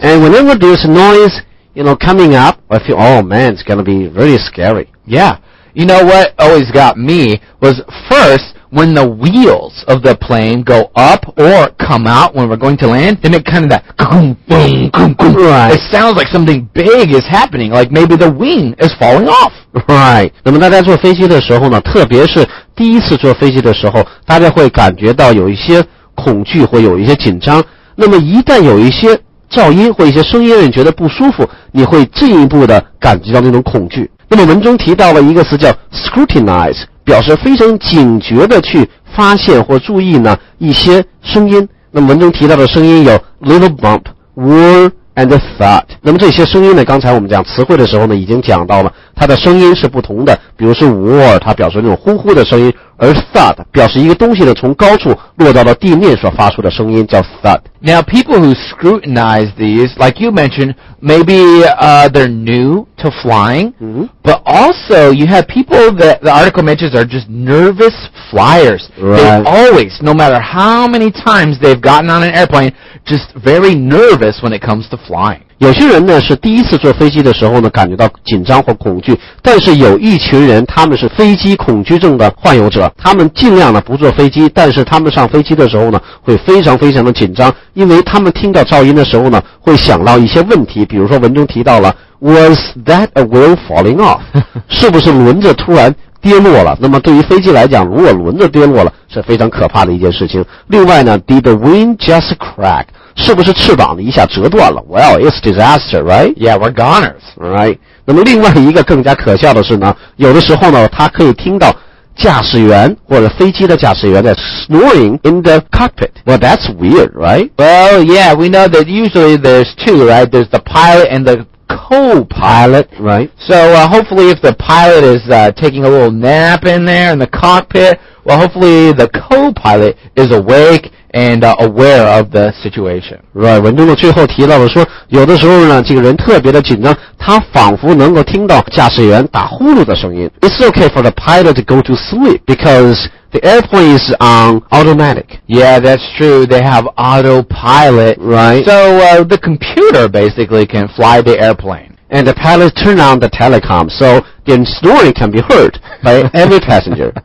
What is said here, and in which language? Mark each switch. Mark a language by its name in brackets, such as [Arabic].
[English] And whenever there's noise, you know, coming up, I feel, oh man, it's going to be really scary. Yeah. You know what always got me was first, when the wheels of the plane go up or come out when we're going to land, they make kind of that boom, boom, boom, boom. Right. It sounds like something big is happening, like maybe the wing is falling off. Right. [Chinese] 那么大家坐飞机的时候呢，特别是第一次坐飞机的时候，大家会感觉到有一些恐惧或有一些紧张。那么一旦有一些噪音或一些声音让你觉得不舒服，你会进一步的感觉到那种恐惧。那么文中提到了一个词叫 scrutinize， 表示非常警觉的去发现或注意呢一些声音。那么文中提到的声音有 [English] little bump, whir and thud。 [Chinese] 那么这些声音呢，刚才我们讲词汇的时候呢已经讲到了它的声音是不同的，比如说 whir 它表示那种呼呼的声音，而 thud 表示一个东西呢从高处落到了地面所发出的声音叫 thud。 [English] Now people who scrutinize these, like you mentioned, maybe they're new to flying、 mm-hmm. but also you have people that the article mentions are just nervous flyers、 right. they always, no matter how many times they've gotten on an airplane, just very nervous when it comes to flying。 [Chinese] 有些人呢是第一次坐飞机的时候呢感觉到紧张或恐惧，但是有一群人他们是飞机恐惧症的患有者，他们尽量呢不坐飞机，但是他们上飞机的时候呢会非常非常的紧张，因为他们听到噪音的时候呢会想到一些问题，比如说文中提到了 [English] Was that a wheel falling off? [Chinese] 是不是轮子突然跌落了？那么对于飞机来讲，如果轮子跌落了是非常可怕的一件事情。另外呢 [English] Did the wing just crack? [Chinese] 是不是翅膀一下折断了？ [English] Well, it's disaster, right? Yeah, we're goners. Right. [Chinese] 那么另外一个更加可笑的是呢，有的时候呢他可以听到驾驶员或者飞机的驾驶员在 [English] snoring in the cockpit. Well, that's weird, right? Well, yeah, we know that usually there's two, right? There's the pilot and the co-pilot. Right. So, hopefully if the pilot is, taking a little nap in there in the cockpit, well, hopefully the co-pilot is awake and, aware of the situation. Right. [Chinese] 文中的最后提到了说，有的时候呢，这个人特别的紧张，他仿佛能够听到驾驶员打呼噜的声音。 [English] It's okay for the pilot to go to sleep because the airplane is on automatic. Yeah, that's true. They have autopilot. Right. So, the computer basically can fly the airplane. And the pilot turned on the telecom, so the snoring can be heard by every passenger.